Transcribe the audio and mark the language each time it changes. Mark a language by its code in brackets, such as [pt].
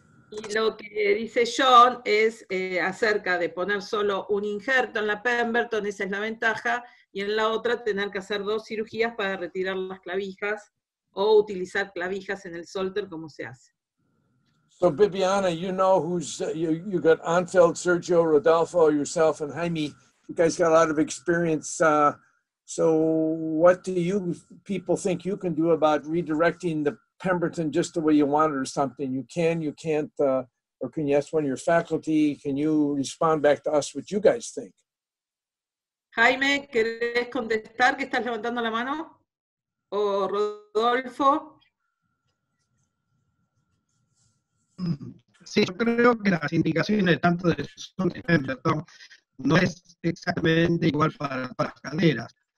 [es] Y lo que dice John es acerca de poner solo un injerto en la Pemberton, esa es la ventaja, y en la otra tener que hacer dos cirugías para retirar las clavijas o utilizar clavijas en el Salter como se hace. [en] So Bibiana, you know who's, you got Anfeld, Sergio, Rodolfo, yourself, and Jaime, you guys got a lot of experience. So what do you people think you can do about redirecting the Pemberton just the way you want it or something? You can, you can't, or can you ask one of your faculty? Can you respond back to us what you guys think? [es] Jaime, ¿querés contestar que estás levantando la mano? ¿O Rodolfo? Sí, yo creo que las indicaciones tanto de Pemberton no es exactamente igual para las caderas.